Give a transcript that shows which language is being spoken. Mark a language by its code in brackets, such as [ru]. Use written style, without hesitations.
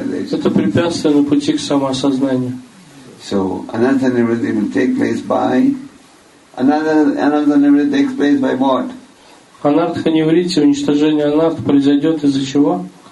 [ru] Это препятствие на пути к самоосознанию. [en] So, anartha nirvritti will take place by anartha nirvritti takes place by what? [ru] Анартха нивритти, уничтожение анарх произойдет из-за чего?